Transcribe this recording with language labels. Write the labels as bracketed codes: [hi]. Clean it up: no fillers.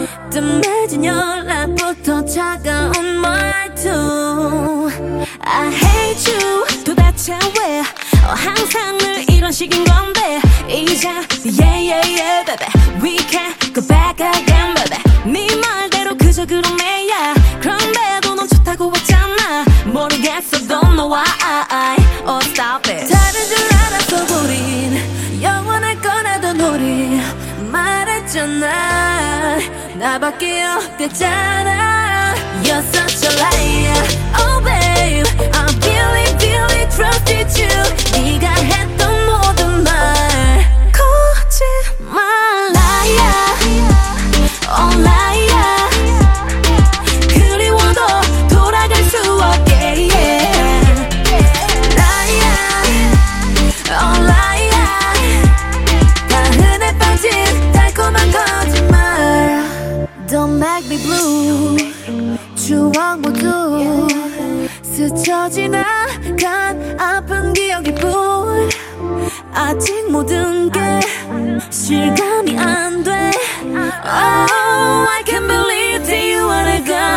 [ko] 뜸해진 연락부터 차가운 말투. [en] I hate you. [ko] 도대체 왜 항상 늘 이런 식인 건데. 이제 [en] yeah yeah yeah baby we can go back again baby. [ko] 네 말대로 그저 그럼에야. 그런데도 넌 좋다고 했잖아. 모르겠어 [en] don't know why. Oh stop it. [ko] 다른 줄 알았어 우린 영원할 거라던 우리. 말했잖아 나밖에 없겠잖아. [en] You're such a liar. Oh babe I'm really really trusted you. [ko] 네가 했던 모든 말 거짓말. [en] Liar oh liar. [ko] 그리워도 돌아갈 수 없게. [en] Yeah. Liar oh liar. [ko] 다 흔해 빠진 달콤한 거짓말. [en] Don't make me blue. [ko] 추억 모두 스쳐 지나간 아픈 기억일 뿐. 아직 모든 게 실감이 안 돼. [en] Oh, I can't believe that you wanna go.